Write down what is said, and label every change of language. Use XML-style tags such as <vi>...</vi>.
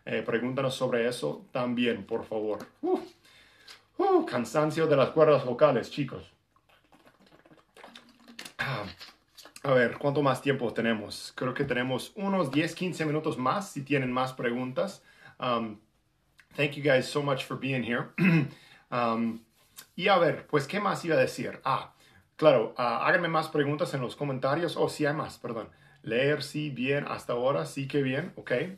<es>Pregúntanos sobre eso también, por favor. Cansancio de las cuerdas vocales, chicos. A ver, ¿cuánto más tiempo tenemos? Creo que tenemos unos 10-15 minutos más si tienen más preguntas.</es> <en>Thank you guys so much for being here.</en> <es>Y a ver, pues, ¿qué más iba a decir? Ah, claro, háganme más preguntas en los comentarios. Oh, sí, hay más, perdón. Leer, sí, bien, hasta ahora, sí que bien. Ok.</es>